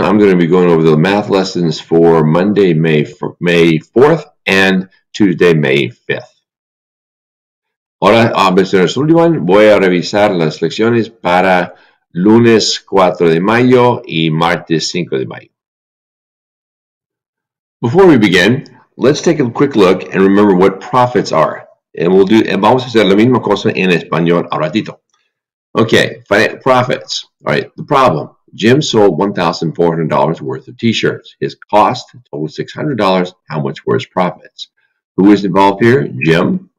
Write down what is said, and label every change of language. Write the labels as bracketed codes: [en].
[en] I'm going to be going over the math lessons for Monday, May 4th and Tuesday, May 5th. [es] Hola, señor Sullivan. Voy a revisar las lecciones para lunes 4 de mayo y martes 5 de mayo. [en] Before we begin, let's take a quick look and remember what profits are. And we'll do, [es] vamos a hacer la misma cosa en español al ratito. [en] Okay, profits. All right, the problem. Jim sold $1,400 worth of t-shirts. His cost totaled $600. How much were his profits? Who was involved here? Jim.